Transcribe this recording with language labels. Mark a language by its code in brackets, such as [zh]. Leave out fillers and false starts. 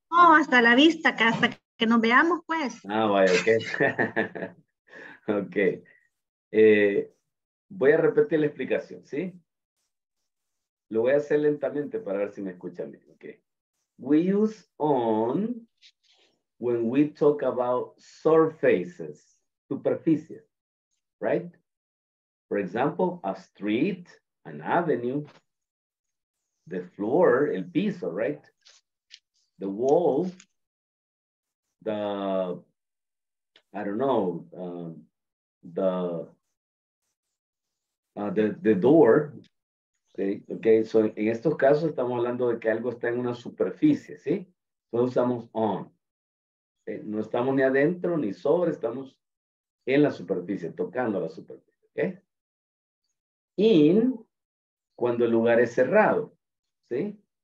[es] No, hasta la vista, hasta que nos veamos, pues. Ah, vaya, ok. Ok. voy a repetir la explicación, ¿sí? Lo voy a hacer lentamente para ver si me escuchan bien, ¿ok? [en] We use on when we talk about surfaces, superficies, right? For example, a street, an avenue, the floor, [es] el piso, [en] right? The wall, the, I don't know, the door, okay? [es] So en estos casos estamos hablando de que algo está en una superficie, ¿sí? Entonces usamos on. Okay? No estamos ni adentro ni sobre, estamos en la superficie, tocando la superficie, ¿ok? In, cuando el lugar es cerrado, ¿sí?